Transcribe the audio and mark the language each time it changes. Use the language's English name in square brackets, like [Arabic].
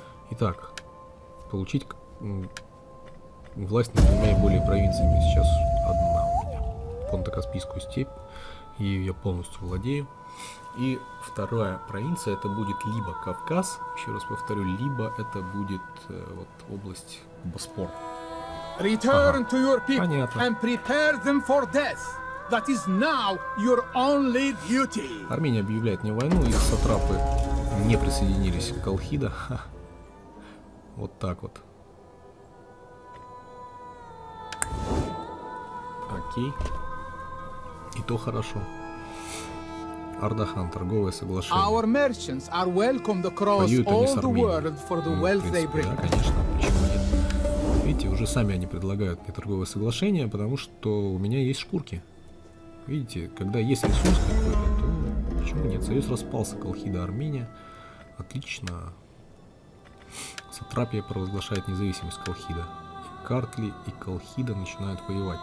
[Russian] Итак, получить власть над двумя и более провинциями. Сейчас одна у меня. Понто-Каспийскую степь. Ее я полностью владею. И вторая провинция, это будет либо Кавказ, еще раз повторю, либо это будет вот область Боспор. [English] Return to your people and prepare them for death. That is now your only duty. [Russian] Армения объявляет мне войну, их сатрапы не присоединились к Колхида. Вот так вот. Окей. И то хорошо. Ардахан, торговое соглашение. [English] Our merchants are welcomed across all the world for the wealth they bring. [Russian] Да, конечно, почему нет? Видите, уже сами они предлагают мне торговое соглашение, потому что у меня есть шкурки. Видите, когда есть ресурс какой-то, то почему нет? Союз распался, Колхида, Армения. Отлично. Сатрапия провозглашает независимость Колхида. И Картли, и Колхида начинают воевать.